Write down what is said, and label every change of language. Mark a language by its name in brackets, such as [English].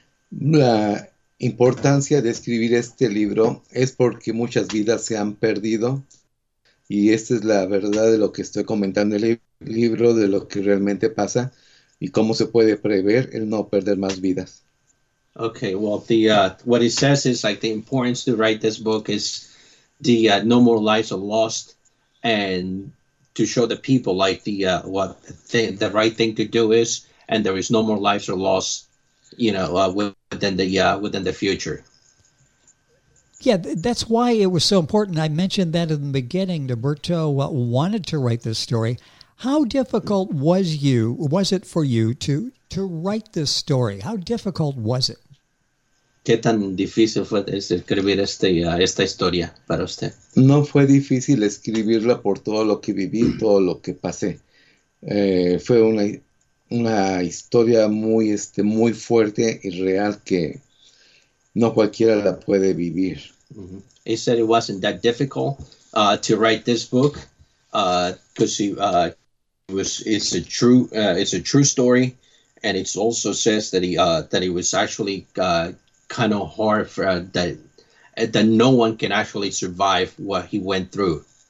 [Spanish] La importancia de escribir este libro es porque muchas vidas se han perdido. Y esta es la verdad de lo que estoy comentando en el libro, de lo que realmente pasa y cómo se puede prever el no perder más vidas. [English] Okay, well, what he says is like the importance to write this book is the no more lives are lost, and to show the people like the right thing to do is, and there is no more lives are lost, you know, within the future. Yeah, that's why it was so important. I mentioned that in the beginning. Roberto wanted to write this story. How difficult was it for you to write this story? How difficult was it? [Spanish] ¿Qué tan difícil fue escribir esta historia para usted? No fue difícil escribirla por todo lo que viví, todo lo que pasé. Fue una historia muy, muy fuerte y real que no cualquiera la puede vivir. Mm-hmm. [English] He said it wasn't that difficult to write this book because it's a true story, and it also says that it was actually kind of hard for that no one can actually survive what he went through.